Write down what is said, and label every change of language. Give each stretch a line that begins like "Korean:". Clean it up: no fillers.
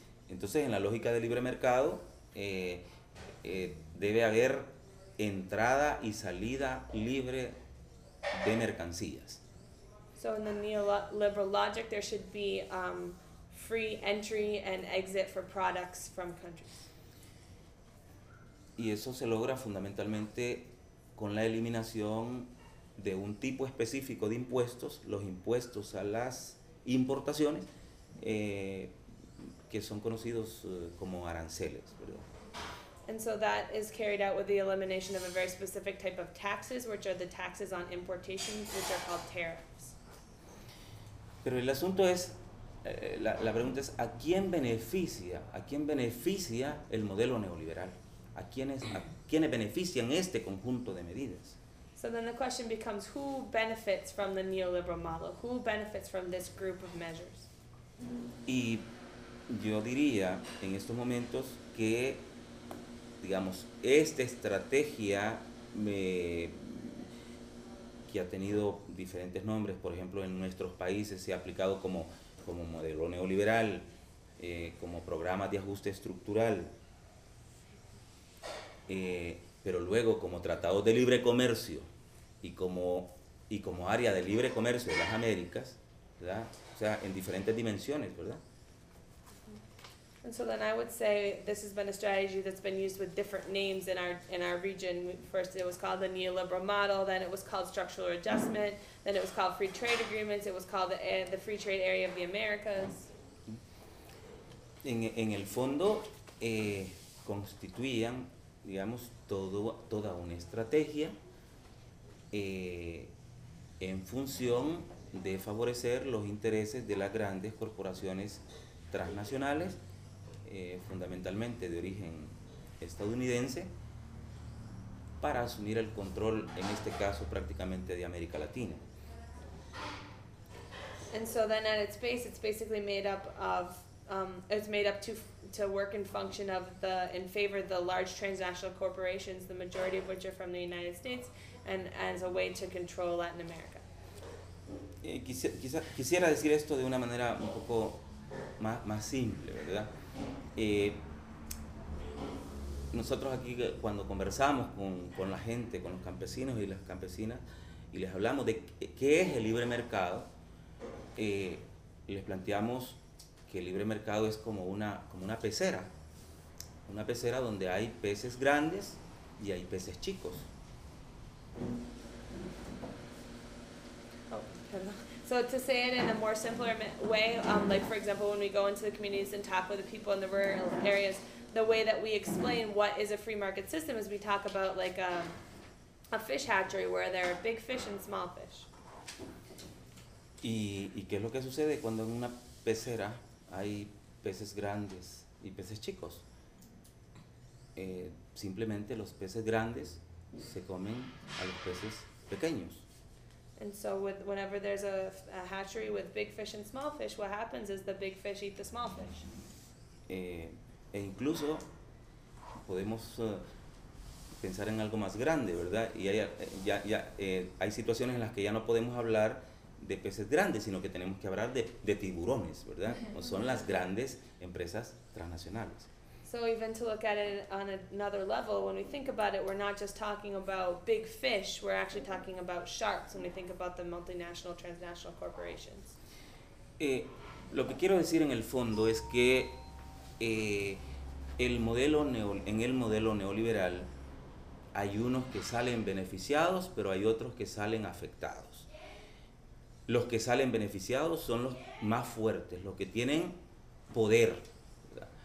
Spanish: Entonces, en la lógica del libre mercado, debe haber entrada y salida libre de mercancías.
English: So in the neoliberal logic, there should be free entry and exit for products from countries.
Spanish: Y eso se logra fundamentalmente con la eliminación de un tipo específico de impuestos, los impuestos a las importaciones, que son conocidos como aranceles, ¿verdad?
English: And so that is carried out with the elimination of a very specific type of taxes, which are the taxes on importations, which are called tariffs.
Spanish: Pero el asunto es, la pregunta es, ¿a quién beneficia el modelo neoliberal? ¿A quiénes benefician este conjunto de medidas?
English: So then the question becomes, who benefits from the neoliberal model? Who benefits from this group of measures?
Spanish: Y yo diría, en estos momentos, que digamos, esta estrategia que ha tenido diferentes nombres, por ejemplo, en nuestros países se ha aplicado como modelo neoliberal, como programa de ajuste estructural, pero luego como tratados de libre comercio y como área de libre comercio de las Américas, ¿verdad? O sea, en diferentes dimensiones, ¿verdad?
English: And so then I would say this has been a strategy that's been used with different names in our region. First it was called the neoliberal model, then it was called structural adjustment, then it was called free trade agreements, it was called the free trade area of the Americas.
Spanish: En el fondo constituían, digamos, toda una estrategia en función de favorecer los intereses de las grandes corporaciones transnacionales fundamentalmente de origen estadounidense para asumir el control, en este caso prácticamente de América Latina.
English: And so then at its base, it's basically made up of, it's made up to work in function of the, in favor of the large transnational corporations, the majority of which are from the United States, and as a way to control Latin America.
Spanish: Quisiera decir esto de una manera un poco más simple, ¿verdad? Nosotros aquí cuando conversamos con la gente, con los campesinos y las campesinas, y les hablamos de qué es el libre mercado, les planteamos que el libre mercado es como una pecera donde hay peces grandes y hay peces chicos.
English: So to say it in a more simpler way, like for example, when we go into the communities and talk with the people in the rural areas, the way that we explain what is a free market system is we talk about like a fish hatchery where there are big fish and small fish.
Spanish: ¿Y qué es lo que sucede cuando en una pecera hay peces grandes y peces chicos? Simplemente los peces grandes se comen a los peces pequeños.
English: And so whenever there's a hatchery with big fish and small fish, what happens is the big fish eat the small fish.
Spanish: E incluso podemos pensar en algo más grande, ¿verdad? Y hay situaciones en las que ya no podemos hablar de peces grandes, sino que tenemos que hablar de tiburones, ¿verdad? O son las grandes empresas transnacionales.
English: So even to look at it on another level, when we think about it, we're not just talking about big fish, we're actually talking about sharks when we think about the multinational, transnational corporations.
Spanish: Lo que quiero decir en el fondo es que en el modelo neoliberal hay unos que salen beneficiados, pero hay otros que salen afectados. Los que salen beneficiados son los más fuertes, los que tienen poder, ¿verdad?